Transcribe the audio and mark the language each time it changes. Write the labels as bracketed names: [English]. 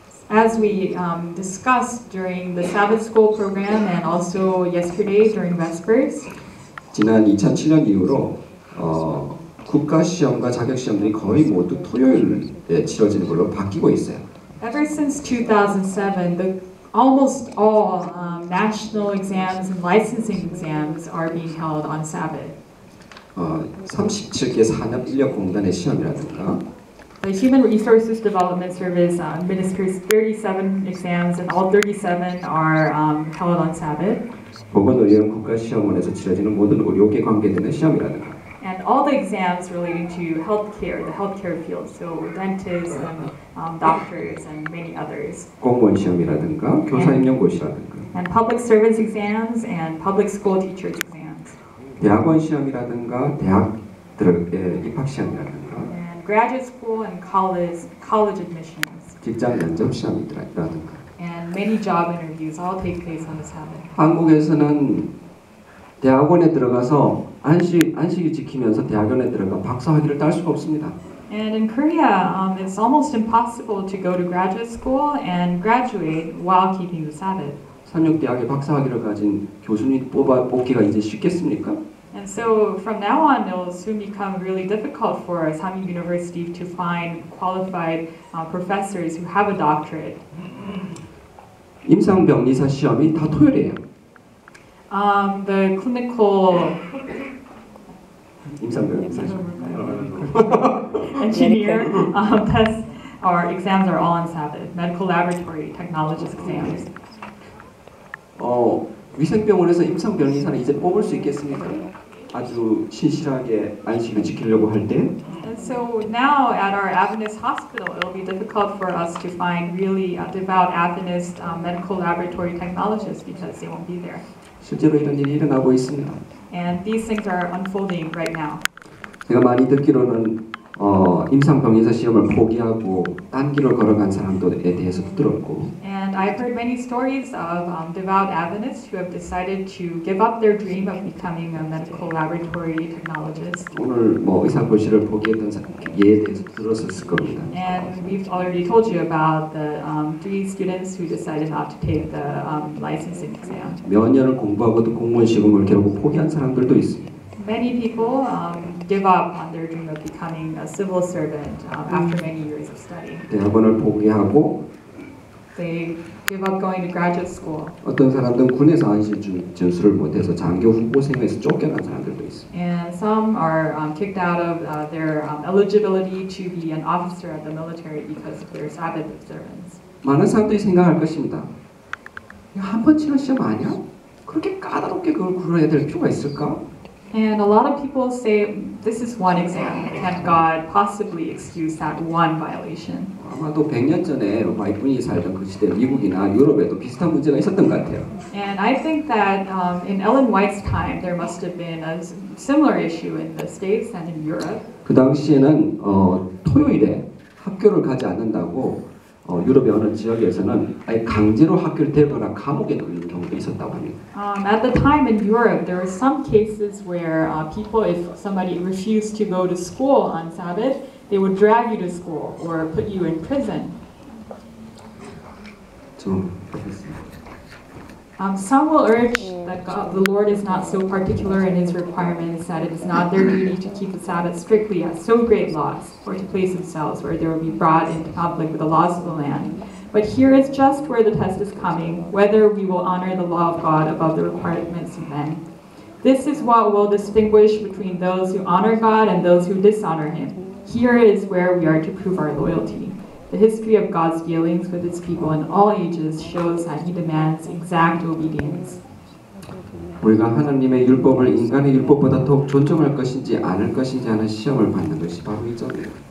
[English] As we discussed during the Sabbath school program and also yesterday during Vespers [Korean] 지난 2007년 이후로 국가 시험과 자격 시험들이 거의 모두 토요일에 치러지는 걸로 바뀌고 있어요. [English] Ever since 2007 the Almost all national exams and licensing exams are being held on Sabbath. [Korean] 37개 산업 인력 공단의 시험이라든가. [English] The Human Resources Development Service administers 37 exams, and all 37 are held on Sabbath. [Korean] 보건의료 국가 시험원에서 치러지는 모든 의료계 관계되는 시험이라든가. [English] And all the exams relating to healthcare, the healthcare field, so dentists and doctors and many others. [Korean] 공무원 시험이라든가 교사 임용 고시라든가. [English] And public service exams and public school teacher exams. [Korean] 대학원 시험이라든가 대학들의 입학 시험이라든가. [English] And graduate school and college admissions. [Korean] 직장 면접 시험이라든가. [English] And many job interviews all take place on the Sabbath. [Korean] 한국에서는 대학원에 들어가서 안식을 지키면서 대학원에 들어가 박사 학위를 딸 수가 없습니다. [English] And in Korea, it's almost impossible to go to graduate school and graduate while keeping the Sabbath. [Korean] 산역대학의 박사 학위를 가진 교수님 뽑기가 이제 쉽겠습니까? [English] And so from now on, it'll soon become really difficult for Samik University to find qualified professors who have a doctorate. [Korean] 임상병리사 시험이 다 토요일이에요. [English] The clinical [Korean] 임상병리사 [English] engineer tests or exams are all on Sabbath. Medical laboratory technologist exams. [Korean] 위생병원에서 임상병리사는 이제 뽑을 수 있겠습니까? 아주 신실하게 안식을 지키려고 할 때. [English] And so now at our Adventist hospital, it'll be difficult for us to find really devout Adventist medical laboratory technologists because they won't be there. [Korean] 실제로 이런 일이 일어나고 있습니다. [English] And these things are unfolding right now. [Korean] 제가 많이 듣기로는 임상병리사 시험을 포기하고 딴 길을 걸어간 사람들에 대해서 들었고. [English] And I've heard many stories of devout Adventists who have decided to give up their dream of becoming a medical laboratory technologist. [Korean] 오늘 뭐 의사 고시를 포기했던 예에 대해서 들었을 겁니다. [English] And we've already told you about the three students who decided not to take the licensing exam. [Korean] 몇 년을 공부하고도 공무원 시험을 결국 포기한 사람들도 있습니다. [English] Many people give up on their dream of becoming a civil servant after many years of study. [Korean] 대학원을 포기하고 [English] they give up going to graduate school. [Korean] 어떤 사람들은 군에서 안시점수를 못해서 장교 후보생에서 쫓겨난 사람들도 있어요. [English] And some are kicked out of their eligibility to be an officer of the military because of their Sabbath observance. [Korean] 많은 사람들이 생각할 것입니다. 한 번 치는 시험 아니야? 그렇게 까다롭게 그걸 굴어야 될 필요가 있을까? [English] And a lot of people say this is one exam. Can God possibly excuse that one violation? [Korean] 아마도 100년 전에 마이군이 살던 그 시대 미국이나 유럽에도 비슷한 문제가 있었던 것 같아요. [English] And I think that in Ellen White's time, there must have been a similar issue in the States and in Europe. [Korean] 그 당시에는 토요일에 학교를 가지 않는다고 유럽의 어느 지역에서는 아예 강제로 학교를 데려가 감옥에 넣는 경우도 있었다고 합니다. [English] At the time in Europe, there were some cases where people, if somebody refused to go to school on Sabbath, they would drag you to school or put you in prison. 좀 Some will urge that God, the Lord is not so particular in His requirements that it is not their duty to keep the Sabbath strictly at so great loss, or to place themselves where they will be brought into conflict with the laws of the land. But here is just where the test is coming, whether we will honor the law of God above the requirements of men. This is what will distinguish between those who honor God and those who dishonor Him. Here is where we are to prove our loyalty. The history of God's dealings with His people in all ages shows that He demands exact obedience. [Korean] 우리가 하나님의 율법을 인간의 율법보다 더욱 존중할 것인지 아닐 것인지 하는 시험을 받는 것이 바로 이 점이에요.